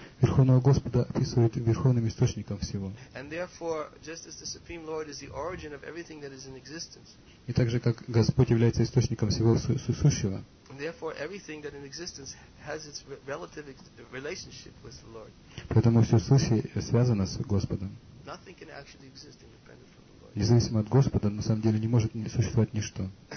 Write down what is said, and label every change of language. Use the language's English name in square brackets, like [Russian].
[Russian] Верховного Господа описывают верховным источником всего. [English] And therefore, just as the Supreme Lord is the origin of everything that is in existence. [Russian] И также как Господь является источником всего сущего. [English] Therefore, everything that in existence has its relative relationship with the Lord. [Russian] Поэтому все сущее связано с Господом. [English] Nothing can actually exist independent from. [Russian] Независимо от Господа, на самом деле не может существовать ничто.